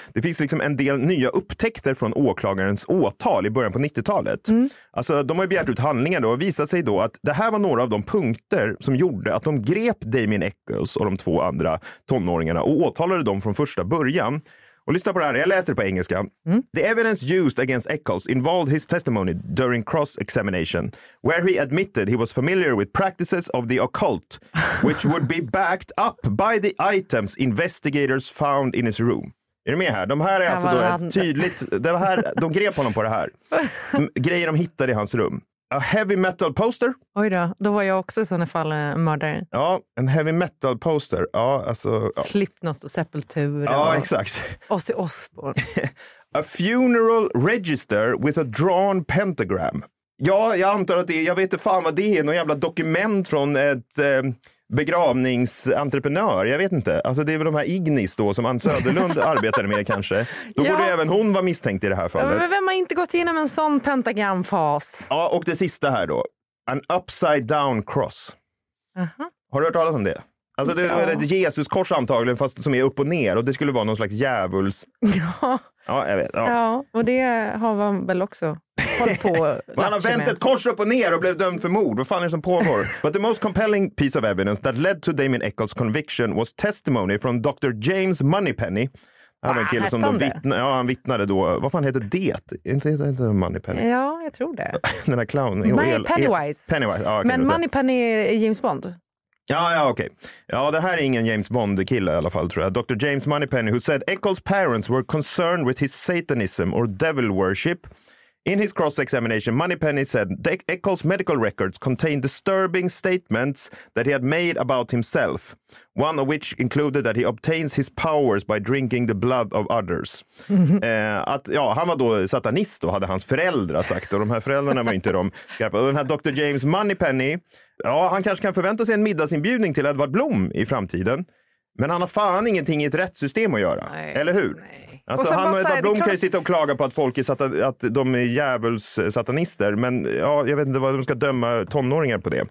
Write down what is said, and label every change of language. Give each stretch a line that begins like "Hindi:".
Swedish: Det finns liksom en del nya upptäckter från åklagarens åtal i början på 90-talet. Alltså de har ju begärt ut handlingar då och visat sig då att det här var några av de punkter som gjorde att de grep Damien Eccles och de två andra tonåringarna och åtalade dem från första början. Och lyssna på det här, jag läser på engelska.
English: The evidence used against Eccles involved his testimony during cross-examination, where he admitted he was familiar with practices of the occult, which would be backed up by the items investigators found in his room.
Swedish: Är du med här? De här är alltså då ett tydligt... Det här, de grep honom på det här. Grejer de hittade i hans rum.
English: A heavy metal poster.
Swedish: Oj då, då var jag också i sådana fall mördare. Ja, en heavy metal poster. Ja, alltså, ja. Slipknot och Sepultura. Ja, och exakt. Ozzy Osbourne.
English: A funeral register with a drawn pentagram.
Swedish: Ja, jag antar att det är... Jag vet inte fan vad det är. Någon jävla dokument från ett... begravningsentreprenör, jag vet inte. Alltså det är väl de här Ignis då som Ann Söderlund arbetade med kanske. Då borde även hon vara misstänkt i det här fallet. Men vem har inte gått igenom en sån pentagramfas? Ja, och det sista här då.
English: An upside down cross. Uh-huh.
Swedish: Har du hört talas om det? Alltså det är ett Jesuskors antagligen, fast som är upp och ner. Och det skulle vara någon slags djävuls... Ja. Ja, jag vet. Ja, och det har man väl också... Man har vänt ett kors upp och ner och blev dömd för mord. Vad fan är det som pågår?
English: But the most compelling piece of evidence that led to Damien Eccles' conviction was testimony from Dr. James Moneypenny.
Swedish: Han var en kille som då vittnade. Ja, han vittnade då. Vad fan heter det? Inte Moneypenny. Ja, jag tror det. Den här clown. Pennywise. Ja, men Moneypenny är James Bond. Ja, okej. Okay. Ja, det här är ingen James Bond-kille i alla fall, tror jag.
English: Dr. James Moneypenny, who said Eccles' parents were concerned with his satanism or devil worship. In his cross-examination, Moneypenny said Eccles' medical records contained disturbing statements that he had made about himself, one of which included that he obtains his powers by drinking the blood of others.
Swedish: Att, ja, han var då satanist och hade hans föräldrar sagt, och de här föräldrarna var inte de. Den här Dr. James Moneypenny, ja, han kanske kan förvänta sig en middagsinbjudning till Edvard Blom i framtiden, men han har fan ingenting i ett rättssystem att göra. Nej, eller hur? Nej. Alltså och han och Edvard Blom kan ju sitta och klaga på att folk är att de är djävuls satanister, men ja, jag vet inte vad de ska döma tonåringar på det.